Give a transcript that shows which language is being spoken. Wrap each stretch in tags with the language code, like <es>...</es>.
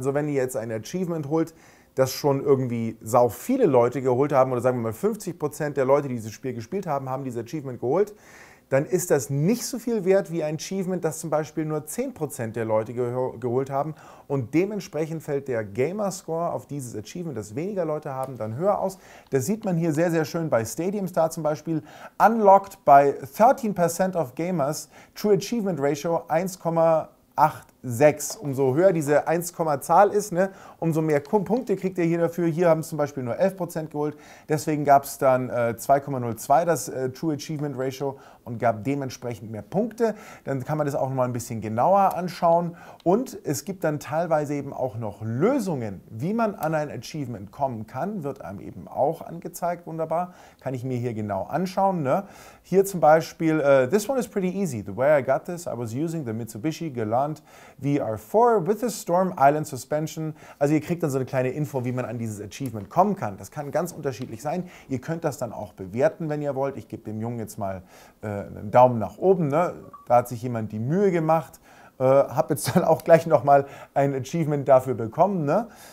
<de>Also wenn ihr jetzt ein Achievement holt, das schon irgendwie sau viele Leute geholt haben, oder sagen wir mal 50% der Leute, die dieses Spiel gespielt haben, haben dieses Achievement geholt, dann ist das nicht so viel wert wie ein Achievement, das zum Beispiel nur 10% der Leute geholt haben. Und dementsprechend fällt der Gamerscore auf dieses Achievement, das weniger Leute haben, dann höher aus. Das sieht man hier sehr, sehr schön bei Stadium Star zum Beispiel.</de> <en>Unlocked by 13% of Gamers, True Achievement Ratio 1,86.</en> <de>Umso höher diese 1,Zahl ist, ne, umso mehr Punkte kriegt ihr hier dafür. Hier haben es zum Beispiel nur 11% geholt. Deswegen gab es dann 2,02, das True Achievement Ratio, und gab dementsprechend mehr Punkte. Dann kann man das auch noch mal ein bisschen genauer anschauen. Und es gibt dann teilweise eben auch noch Lösungen, wie man an ein Achievement kommen kann. Wird einem eben auch angezeigt, wunderbar. Kann ich mir hier genau anschauen, ne? Hier zum Beispiel,</de> <en>this one is pretty easy. The way I got this, I was using the Mitsubishi Galant VR4 with a Storm Island Suspension.</en> <de>Also ihr kriegt dann so eine kleine Info, wie man an dieses Achievement kommen kann. Das kann ganz unterschiedlich sein. Ihr könnt das dann auch bewerten, wenn ihr wollt. Ich gebe dem Jungen jetzt mal einen Daumen nach oben. Ne? Da hat sich jemand die Mühe gemacht. Habe jetzt dann auch gleich nochmal ein Achievement dafür bekommen. Ne?</de>